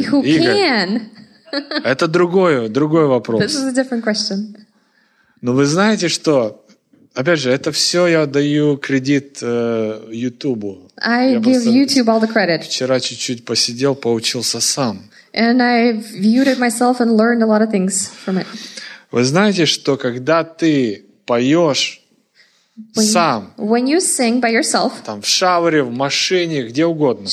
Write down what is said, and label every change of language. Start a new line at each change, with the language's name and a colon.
English: Asking who
Russian: Игорь.
English: Can.
Russian: Это другой вопрос.
English: This is a different question.
Russian: Но вы знаете, что... Опять же, это все я даю кредит Ютубу.
English: I give YouTube all the credit.
Russian: Вчера чуть-чуть посидел, поучился сам.
English: And I viewed it myself and learned a lot of things from it.
Russian: Вы знаете, что когда ты поешь сам,
English: when you sing by yourself,
Russian: там в шауре, в машине, где угодно,